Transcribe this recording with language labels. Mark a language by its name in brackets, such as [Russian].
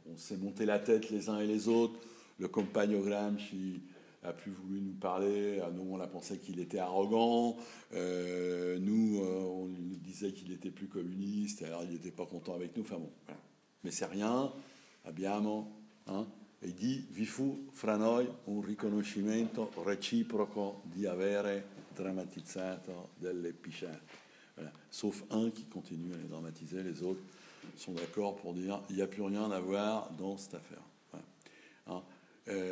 [French] On s'est monté la tête les uns et les autres. Le compagno Gramsci a plus voulu nous parler. Nous, on a pensé qu'il était arrogant. On lui disait qu'il était plus communiste. Alors, il n'était pas content avec nous. Enfin bon, voilà. Mais c'est rien. Abbiamo, hein. Et il dit, [Italian] vi fu fra noi un riconoscimento reciproco di avere drammatizzato delle pichate. [French] Voilà. Sauf un qui continue à les dramatiser, les autres sont d'accord pour dire il n'y a plus rien à voir dans cette affaire. Voilà. Hein?